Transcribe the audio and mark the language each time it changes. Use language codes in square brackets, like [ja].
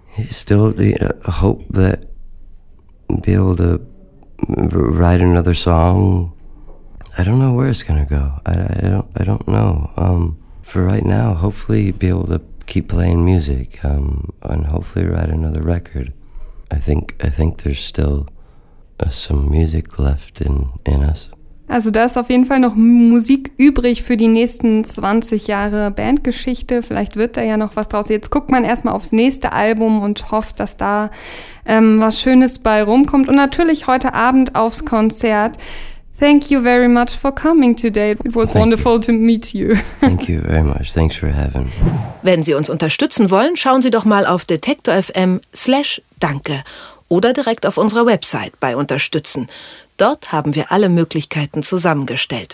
[en] Still, you know, hope that be able to write another song. I don't know where it's gonna go. I don't know. For right now, hopefully, be able to keep playing music and hopefully write another record. I think there's still some music left in us. [de] Also da ist auf jeden Fall noch Musik übrig für die nächsten 20 Jahre Bandgeschichte. Vielleicht wird da ja noch was draus. Jetzt guckt man erstmal aufs nächste Album und hofft, dass da was Schönes bei rumkommt. Und natürlich heute Abend aufs Konzert. [en] Thank you very much for coming today. It was wonderful to meet you. Thank you very much. Thanks for having me. [de] Wenn Sie uns unterstützen wollen, schauen Sie doch mal auf detektor.fm/danke oder direkt auf unserer Website bei Unterstützen. Dort haben wir alle Möglichkeiten zusammengestellt.